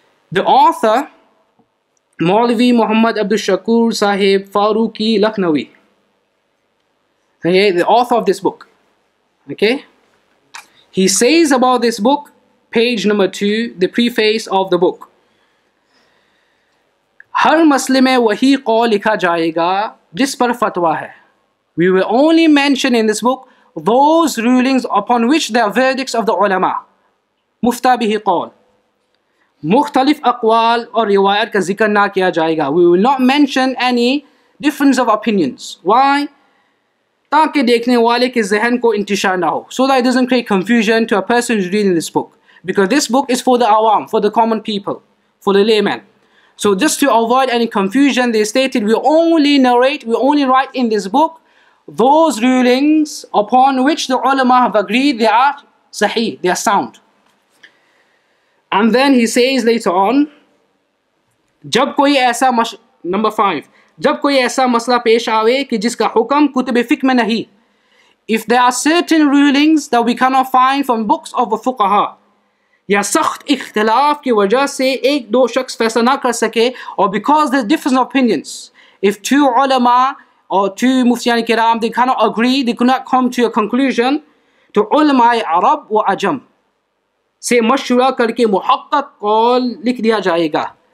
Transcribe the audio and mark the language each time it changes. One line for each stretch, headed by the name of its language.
English: The author, Maulvi Muhammad Abdul Shakur Sahib Faruqi Lakhnawi. Okay, the author of this book. Okay? He says about this book, page number 2, the preface of the book.
Urdu: ہر مسئلے وہی کو لکھا جائے گا جس پر فتویٰ ہے.
English: We will only mention in this book those rulings upon which there are verdicts of the ulama.
Arabic: Mufta bihi qawl.
Urdu: مختلف اقوال اور روایات کا ذکر نہ کیا جائے گا.
English: We will not mention any difference of opinions. Why?
Urdu: تاکہ دیکھنے والے کے ذہن کو انتشار نہ ہو.
English: So that it doesn't create confusion to a person who's reading this book. Because this book is for the awam, for the common people, for the layman. So just to avoid any confusion, they stated we only write in this book those rulings upon which the ulama have agreed, they are sahih, they are sound. And then he says later on,
Urdu: جب کوئی ایسا مش... number 5 جب کوئی ایسا مسئلہ پیش آوے کہ جس کا حکم کتب فقہ میں نہیں.
English: If there are certain rulings that we cannot find from books of the fuqaha,
Urdu: یا سخت اختلاف کی وجہ سے ایک دو شخص فیصلہ نہ کر سکے,
English: or because there's difference of opinions, if two ulama or two muftiyan kiram, they cannot agree, they could not come to a conclusion,
Urdu: تو علمائے عرب و عجم سے مشورہ کر کے محقق قول لکھ دیا جائے گا.